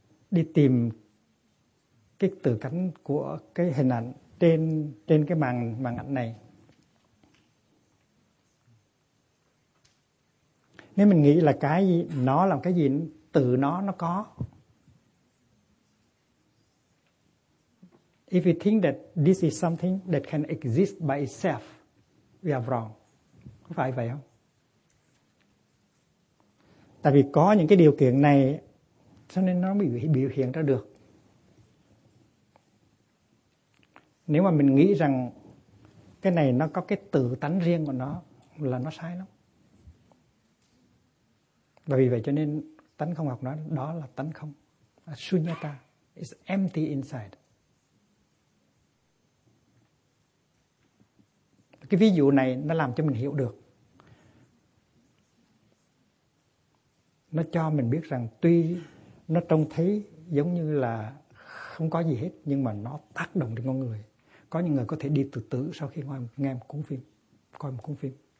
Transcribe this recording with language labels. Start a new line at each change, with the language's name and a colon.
Vietnamese: Đi tìm cái tự tánh của cái hình ảnh trên cái màn ảnh này. Nếu mình nghĩ là cái gì, nó làm cái gì, tự nó có.
English: If we think that this is something that can exist by itself, we are wrong.
Vietnamese: Có phải vậy không? Tại vì có những cái điều kiện này cho nên nó mới biểu hiện ra được. Nếu mà mình nghĩ rằng cái này nó có cái tự tánh riêng của nó là nó sai lắm. Và vì vậy cho nên tánh không học nói đó là tánh không.
English: Shunyata is empty inside.
Vietnamese: Cái ví dụ này nó làm cho mình hiểu được. Nó cho mình biết rằng tuy nó trông thấy giống như là không có gì hết, nhưng mà nó tác động đến con người. Có những người có thể đi tự tử sau khi nghe một cuốn phim, coi một cuốn phim.